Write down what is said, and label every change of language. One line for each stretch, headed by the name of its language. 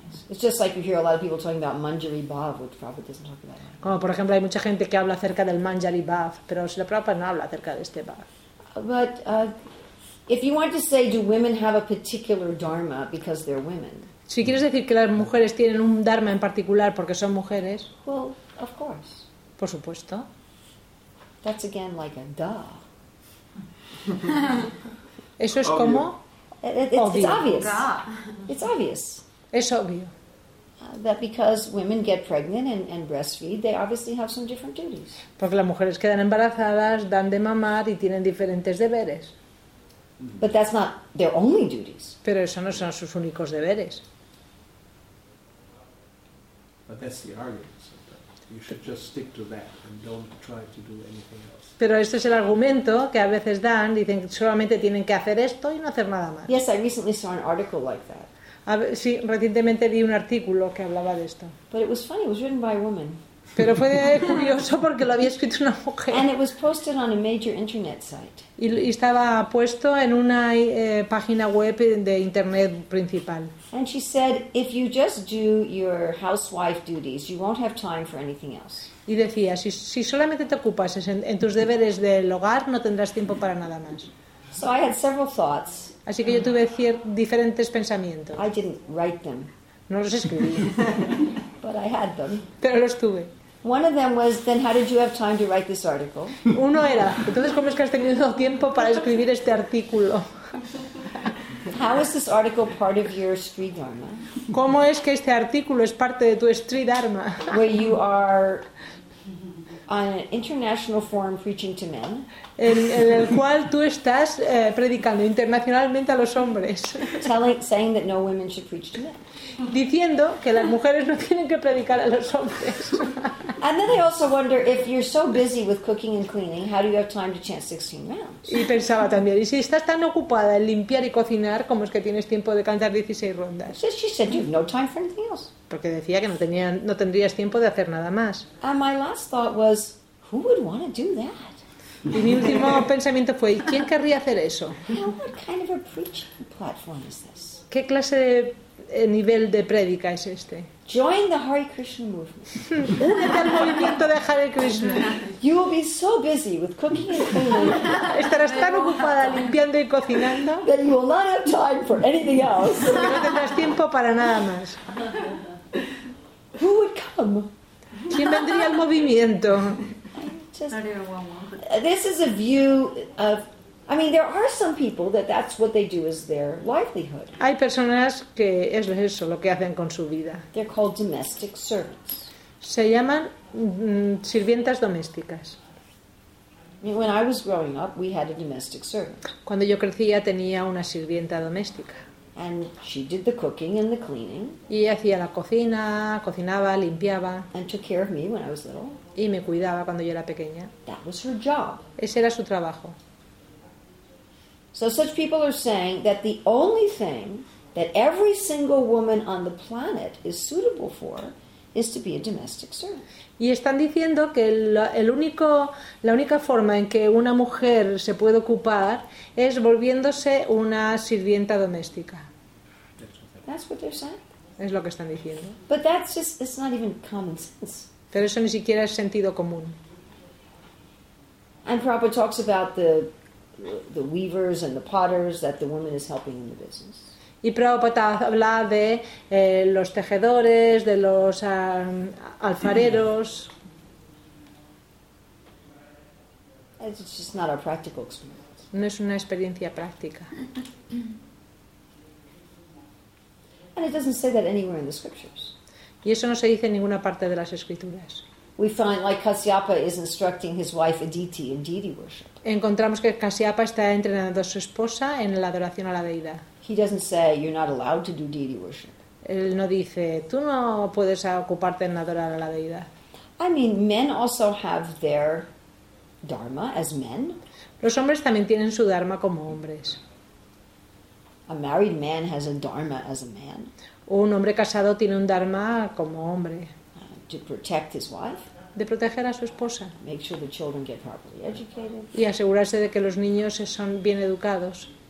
English: It's just like you hear a lot of people talking about Manjari Bhav, which Prabhupada doesn't talk about.
Spanish: Como por ejemplo, hay mucha gente que habla acerca del Manjari Bhav, pero si la Prabhupada no habla acerca de este Bhav.
English: But if you want to say do women have a particular dharma because they're women?
Spanish: Si quieres decir que las mujeres tienen un dharma en particular porque son mujeres,
English: well, of course.
Spanish: Por supuesto.
English: That's again like a duh.
Spanish: Eso es obvio. Como
English: it's obvious. It's obvious.
Spanish: Es obvio.
English: That because women get pregnant and breastfeed, they obviously have some different duties.
Spanish: Porque las mujeres quedan embarazadas, dan de mamar y tienen diferentes deberes.
English: But that's not their only duties.
Spanish: Pero eso no son sus únicos deberes.
English: But that's the argument. Sometimes. You should just stick to that and don't try to do anything else.
Spanish: Pero este es el argumento que a veces dan, dicen que solamente tienen que hacer esto y no hacer nada más.
English: Yes, I recently saw an article like that.
Spanish: Sí, recientemente vi un artículo que hablaba de esto.
English: But it was funny, it was written by a woman.
Spanish: Pero fue curioso porque lo había escrito una mujer.
English: And it was posted on a major internet site.
Spanish: Y estaba puesto en una página web de internet principal.
English: And she said, if you just do your housewife duties, you won't have time for anything else.
Spanish: Y decía, si solamente te ocupas en tus deberes del hogar, no tendrás tiempo para nada más.
English: So I had several thoughts.
Spanish: Así que yo tuve diferentes pensamientos.
English: I didn't write them.
Spanish: No los escribí.
English: But I had them.
Spanish: Pero los tuve.
English: One of them was, then how did you have time to write this article?
Spanish: Uno era, entonces, ¿cómo es que has tenido tiempo para escribir este artículo?
English: How is this article part of your Sri Dharma?
Spanish: ¿Cómo es que este artículo es parte de tu Sri Dharma?
English: Where you are on an international forum preaching to men.
Spanish: En el cual tú estás predicando internacionalmente a los hombres.
English: Saying that no women should preach to men.
Spanish: Diciendo que las mujeres no tienen que predicar a los hombres.
English: And then I also wonder, if you're so busy with cooking and cleaning, how do you have time to chant 16 rounds?
Spanish: Y pensaba también, y si estás tan ocupada en limpiar y cocinar, ¿cómo es que tienes tiempo de cantar 16 rondas?
English: So she said, you have no time for anything else.
Spanish: Porque decía que no tendrías tiempo de hacer nada más.
English: And my last thought was, who would want to do that?
Spanish: Y mi último pensamiento fue, ¿quién querría hacer eso?
English: What kind of a preaching platform is this?
Spanish: ¿Qué clase de nivel de prédica es este?
English: Join the Hare Krishna movement.
Spanish: Únete al movimiento de Hare Krishna.
English: You will be so busy with cooking and cleaning.
Spanish: Estarás tan ocupada limpiando y cocinando.
English: That you will not have time for anything else.
Spanish: Que no tendrás tiempo para nada más.
English: Who would come?
Spanish: ¿Quién vendría al movimiento?
English: This is a view of, I mean, there are some people that's what they do is their livelihood.
Spanish: Hay personas que es eso lo que hacen con su vida.
English: They're called domestic servants.
Spanish: Se llaman sirvientas domésticas.
English: I mean, when I was growing up, we had a domestic servant.
Spanish: Cuando yo crecía tenía una sirvienta doméstica.
English: And she did the cooking and the cleaning.
Spanish: Y ella hacía la cocina, cocinaba, limpiaba.
English: And took care of me when I was little.
Spanish: Y me cuidaba cuando yo era pequeña.
English: That was her job.
Spanish: Ese era su trabajo.
English: So such people are saying that the only thing that every single woman on the planet is suitable for is to be a domestic servant.
Spanish: Y están diciendo que la única forma en que una mujer se puede ocupar es volviéndose una sirvienta doméstica.
English: That's what they're saying.
Spanish: Es lo que están diciendo.
English: But it's not even common sense.
Spanish: Pero eso ni siquiera es sentido común.
English: And Prabhupada talks about the weavers and the potters that the woman is helping in the business.
Spanish: Y Prabhupada habla de los tejedores, de los alfareros.
English: It's just not a practical experience.
Spanish: No es una experiencia práctica.
English: And it doesn't say that anywhere in the scriptures.
Spanish: Y eso no se dice en ninguna parte de las escrituras.
English: We find like Kasyapa is instructing his wife Aditi in deity worship.
Spanish: Encontramos que Kasyapa está entrenando a su esposa en la adoración a la deidad.
English: He doesn't say you're not allowed to do deity worship.
Spanish: Él no dice tú no puedes ocuparte en adorar a la deidad.
English: I mean, men also have their dharma as men.
Spanish: Los hombres también tienen su dharma como hombres.
English: A married man has a dharma as a man.
Spanish: Un hombre casado tiene un dharma como hombre.
English: To protect his wife.
Spanish: De proteger a su esposa.
English: Make sure the children get properly educated.
Spanish: Y asegurarse de que los niños son bien educados.